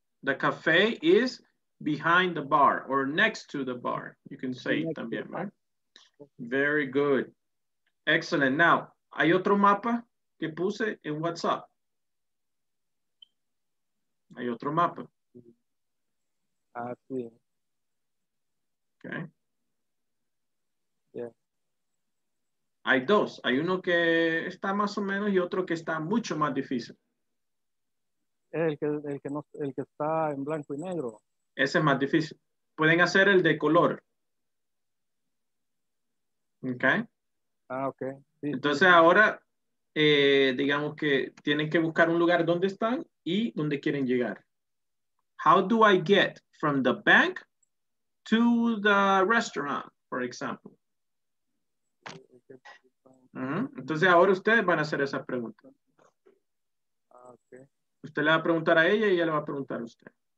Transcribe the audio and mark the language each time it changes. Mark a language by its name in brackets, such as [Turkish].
[English] The cafe is behind the bar or next to the bar. You can say it también, right? Very good. Excellent. [Spanish] Now, hay otro mapa que puse en WhatsApp. Hay otro mapa. Ah, sí. [English] Okay. Yeah. [Spanish] Hay dos. Hay uno que está más o menos y otro que está mucho más difícil. El que está en blanco y negro. Ese es más difícil. Pueden hacer el de color. Okay. [English] Ah, ok. [Spanish] Sí. Entonces ahora, digamos que tienen que buscar un lugar donde están y donde quieren llegar. [English] How do I get from the bank to the restaurant, for example? [Spanish] Entonces ahora ustedes van a hacer esa pregunta. [English] Okay. [Spanish] Usted le va a preguntar a ella y ella le va a preguntar a usted.